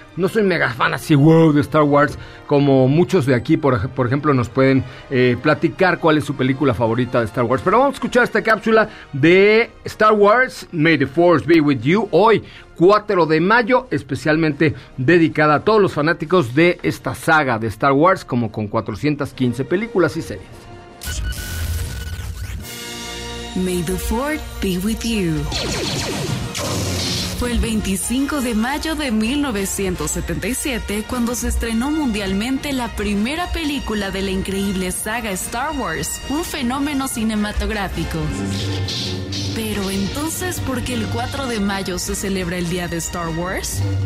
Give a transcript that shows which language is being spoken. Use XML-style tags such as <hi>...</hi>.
<es>No soy mega fan así, wow, de Star Wars, como muchos de aquí, por ejemplo, nos pueden platicar cuál es su película favorita de Star Wars. Pero vamos a escuchar esta cápsula de Star Wars,</es> <en>May the Force be with you,</en> <es>hoy, 4 de mayo, especialmente dedicada a todos los fanáticos de esta saga de Star Wars, como con 415 películas y series.</es> <en>May the Force be with you.</en> <es>fue el 25 de mayo de 1977 cuando se estrenó mundialmente la primera película de la increíble saga Star Wars, un fenómeno cinematográfico. Pero entonces, ¿por qué el 4 de mayo se celebra el día de Star Wars?</es>